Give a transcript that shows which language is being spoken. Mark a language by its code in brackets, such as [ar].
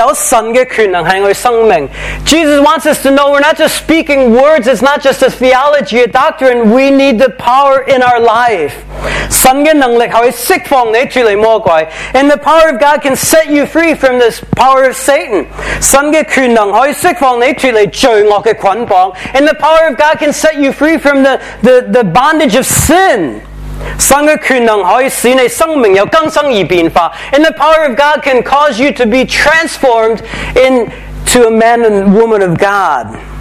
[zh] 耶稣要我们明白，不是单单讲一个道理，我们是要有神的权能在我们生命。 [en] Jesus wants us to know we're not just speaking words, it's not just a theology, a doctrine, we need the power in our life. [zh] 神的能力可以释放你脱离魔鬼， [en] and the power of God can set you free from this power of Satan. [zh] 神的权能可以释放你脱离罪恶的捆绑， [en] and the power of God can set you free from the bondage of sin. [zh] 神的权能可以使你生命有更新而变化， [en] and the power of God can cause you to be transformed into a man and woman of God.